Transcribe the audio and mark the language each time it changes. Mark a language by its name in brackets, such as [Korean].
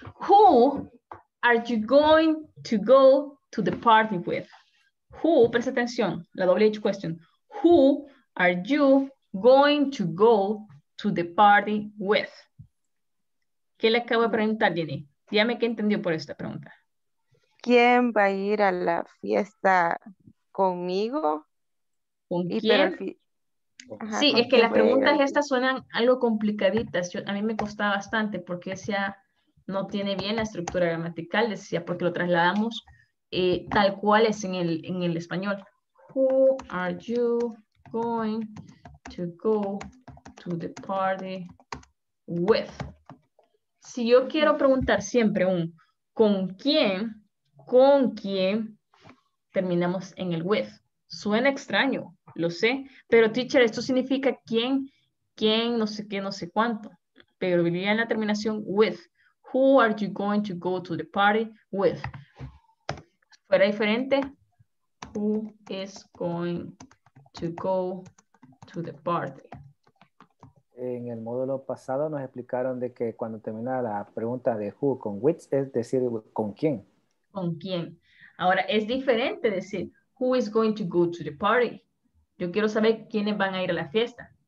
[English] Who are you going to go to the party with? Who, [Spanish] presta atención, la [English] WH question. Who are you going to go to the party with? [Spanish] ¿Qué le acabo de preguntar, Jenny? Dígame qué entendió por esta pregunta. ¿Quién va a ir a la fiesta conmigo? ¿Con quién? Ajá, sí, es que las preguntas estas suenan algo complicaditas. Yo, a mí me costaba bastante porque decía, no tiene bien la estructura gramatical, decía, porque lo trasladamos tal cual es en el español. [English] Who are you going to go to the party with? [Spanish] Si yo quiero preguntar siempre un ¿con quién? Terminamos en el with. Suena extraño. Lo sé, pero teacher, esto significa quién, no sé qué, no sé cuánto, pero diría en la terminación with. [English] Who are you going to go to the party with? [Spanish] ¿Fuera diferente? [English] Who is going to go to the party? [Spanish] En el módulo pasado nos explicaron de que cuando termina la pregunta de who con which, es decir, ¿con quién? ¿Con quién? Ahora, es diferente decir [English] who is going to go to the party. [Spanish] Yo quiero saber quiénes van a ir a la fiesta.